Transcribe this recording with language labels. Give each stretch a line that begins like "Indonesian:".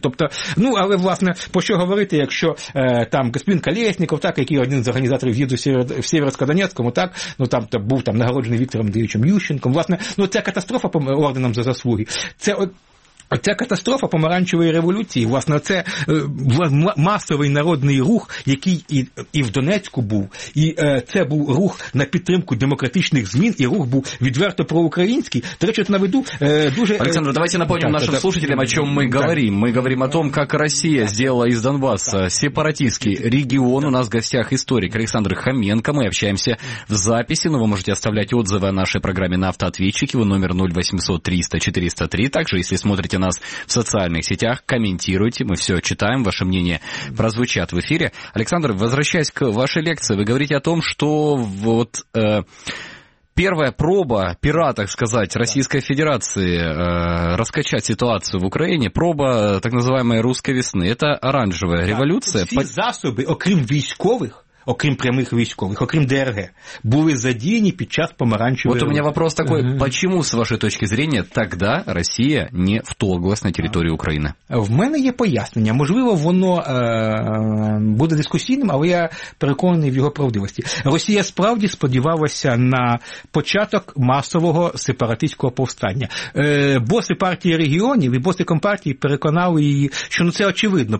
Ukrainian: Тобто, ну, але, власне, про що говорити, якщо там господин Колєсніков, так, який один з організаторів в'їзду в Сєвєродонецькому, так, ну, там був там нагороджений Віктором Дивичем Ющенком, власне, ну, ця катастрофа по орденам за заслуги, це от ця катастрофа помаранчевої революції, власне, це масовий народний рух, який і в Донецьку був, і це був рух на підтримку демократичних змін, і рух був відверто проукраїнський. До речі, це наведу дуже... Олександр,
Russian: давайте напомнимо нашим слушателям,
Ukrainian: о чому ми говоримо. Ми говоримо
Russian: о том, как Россия сделала из Донбасса сепаратистский регион. У нас в гостях историк Александр Хоменко. Мы общаемся в записи, но вы можете оставлять отзывы о нашей программе на автоответчике. Его номер 0800-300-403. Также, если смотрите нас в социальных сетях, комментируйте, мы все читаем, ваше мнение прозвучат в эфире. Александр, возвращаясь к вашей лекции, вы говорите о том, что вот первая проба пера, так сказать, Российской Федерации раскачать ситуацию в Украине, проба так называемой русской весны, это оранжевая революция.
Ukrainian: Все засоби, окрім військових, окрім прямих військових, окрім ДРГ, були задіяні під час помаранчевої...
Russian: Вот у меня вопрос такой, почему, с вашей точки зрения, тогда Россия не вторглась на территорию Украины?
Ukrainian: В мене є пояснення. Можливо, воно буде дискусійним, але я переконаний в його правдивості. Росія справді сподівалася на початок масового сепаратистського повстання. Боси партії регіонів і боси компартії переконали її, що, ну, це очевидно.